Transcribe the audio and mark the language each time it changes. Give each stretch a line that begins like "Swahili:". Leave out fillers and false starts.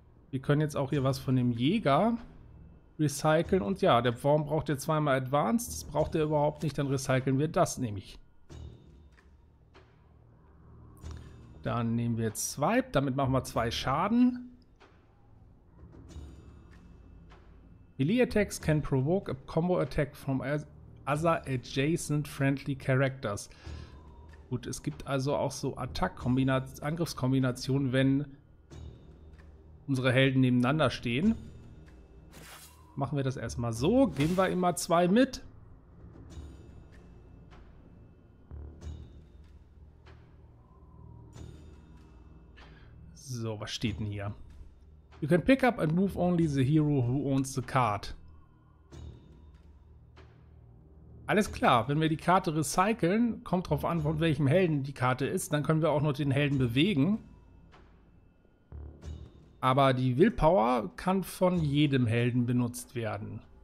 German: Wir können jetzt auch hier was von dem Jäger recyceln. Und ja, der Wurm braucht ja 2x Advanced. Das braucht er überhaupt nicht. Dann recyceln wir das nämlich. Dann nehmen wir jetzt Swipe. Damit machen wir 2 Schaden.
English: Melee Attacks can provoke a combo attack from other adjacent friendly characters.
German: Gut, es gibt also auch so Angriffskombinationen, wenn unsere Helden nebeneinander stehen. Machen wir das erstmal so. Geben wir ihm mal 2 mit. So, was steht denn hier?
English: You can pick up and move only the hero who owns the card.
German: Alles klar. Wenn wir die Karte recyceln, kommt drauf an, von welchem Helden die Karte ist. Dann können wir auch nur den Helden bewegen. Aber die Willpower kann von jedem Helden benutzt werden.